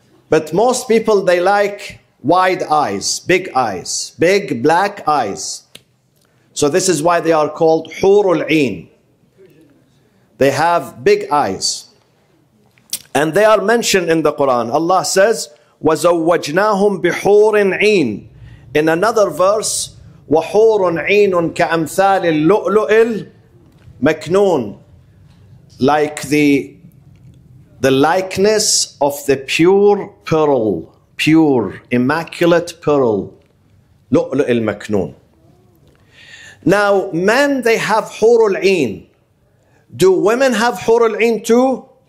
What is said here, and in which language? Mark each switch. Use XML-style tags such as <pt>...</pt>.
<en>But most people, they like wide eyes, big black eyes. So this is why they are called Hurul Ain. They have big eyes. And they are mentioned in the Quran. Allah says,</en> <ar>وَزَوَّجْنَاهُمْ بِحُورٍ عِينٍ.</ar> <en>In another verse,</en> <ar>وَحُورٌ عِينٌ كَأَمْثَالِ اللُّؤْلُؤِ الْمَكْنُونَ.</ar> <en>Like the likeness of the pure pearl, pure, immaculate pearl,</en> <ar>لُؤْلُؤِ الْمَكْنُونَ.</ar> <en>Now, men, they have Hurul Ain. Do women have Hurul Ain too?</en>